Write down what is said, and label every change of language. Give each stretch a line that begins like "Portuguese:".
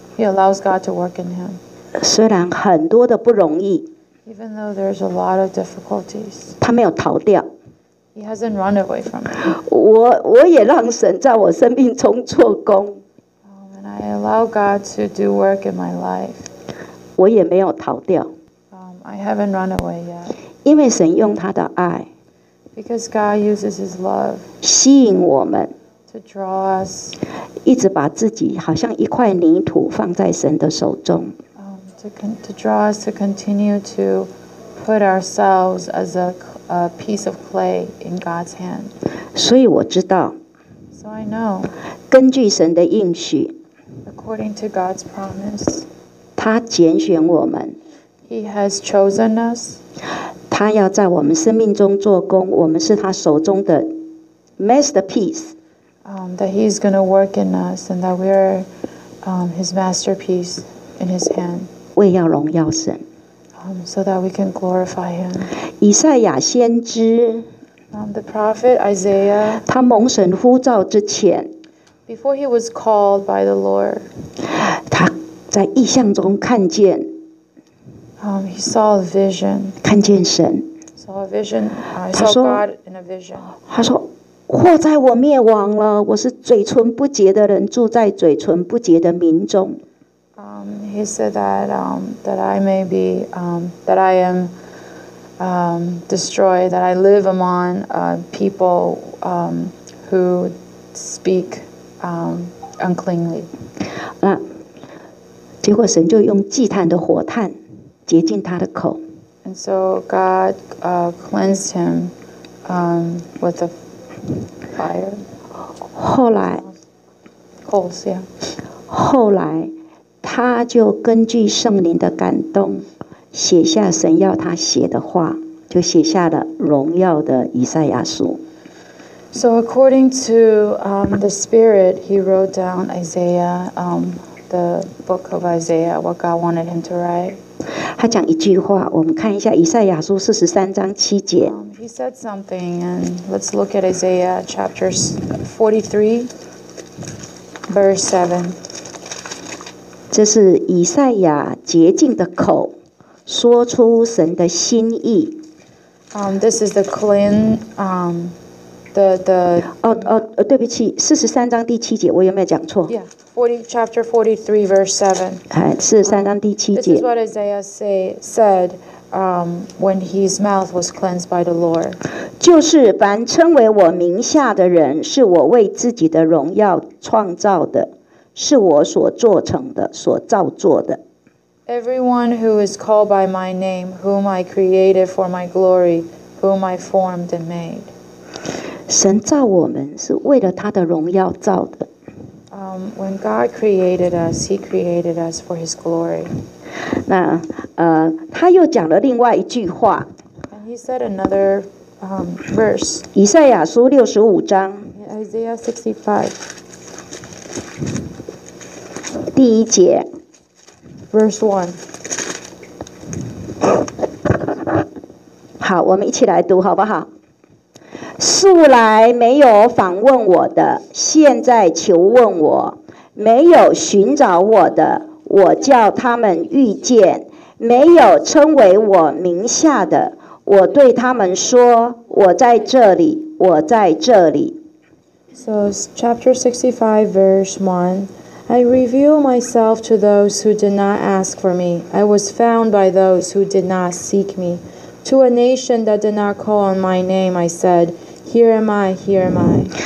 English: He allows God to work in him.
Chinese: 虽然很多的不容易。
English: Even though there's a lot of difficulties.
Chinese: 他没有逃掉。
English: He hasn't run away from it.
Chinese: 我也让神在我生命中做工。
English: And I allow God to do work in my life.
Chinese: 我也没有逃掉。
English: I haven't run away yet.
Chinese: 因为神用他的爱。
English: Because God uses his love.
Chinese: 吸引我们。
English: To draw us.
Chinese: 一直把自己好像一块泥土放在神的手中。
English: To draw us to continue to put ourselves as a piece of clay in God's hand.
Chinese: 所以我知道。
English: So I know.
Chinese: 根据神的应许。
English: According to God's promise.
Chinese: 他拣选我们。
English: He has chosen us.
Chinese: 他要在我们生命中做工，我们是他手中的 masterpiece.
English: That he's going to work in us and that we are his masterpiece in his hand.
Chinese: 为要荣耀神。
English: So that we can glorify him.
Chinese: 以赛亚先知。
English: The prophet Isaiah.
Chinese: 他蒙神呼召之前。
English: Before he was called by the Lord.
Chinese: 他在异象中看见。
English: He saw a vision.
Chinese: 看见神。
English: Saw a vision. I saw God in a vision.
Chinese: 他说：“祸在我灭亡了，我是嘴唇不洁的人，住在嘴唇不洁的民中。”
English: He said that that I am destroyed, that I live among people who speak uncleanly.
Chinese: 那结果神就用祭坛的火炭。洁净他的口。
English: And so God cleansed him with a fire.
Chinese: 后来
English: coals, yeah.
Chinese: 后来他就根据圣灵的感动写下神要他写的话，就写下了荣耀的以赛亚书。
English: So according to the Spirit, he wrote down Isaiah, the book of Isaiah, what God wanted him to write.
Chinese: 他讲一句话，我们看一下以赛亚书四十三章七节。
English: He said something, and let's look at Isaiah chapter 43, verse 7.
Chinese: 这是以赛亚洁净的口，说出神的心意。
English: This is the clean, the
Chinese: 对不起，四十三章第七节，我有没有讲错？
English: Yeah. Chapter 43, verse 7.
Chinese: 四十三章第七节。
English: This is what Isaiah said when his mouth was cleansed by the Lord.
Chinese: 就是凡称为我名下的人，是我为自己的荣耀创造的，是我所做成的，所造作的。
English: Everyone who is called by my name, whom I created for my glory, whom I formed and made.
Chinese: 神造我们是为了他的荣耀造的。
English: When God created us, He created us for His glory.
Chinese: 那他又讲了另外一句话。
English: And He said another verse.
Chinese: 以赛亚书六十五章。
English: Isaiah 65.
Chinese: 第一节。
English: Verse 1.
Chinese: 好，我们一起来读好不好？素来没有访问我的，现在求问我；没有寻找我的，我叫他们遇见；没有称为我名下的，我对他们说：我在这里，我在这里。
English: So, chapter 65, verse 1. I reveal myself to those who did not ask for me. I was found by those who did not seek me. To a nation that did not call on my name, I said, Here am I, here am I.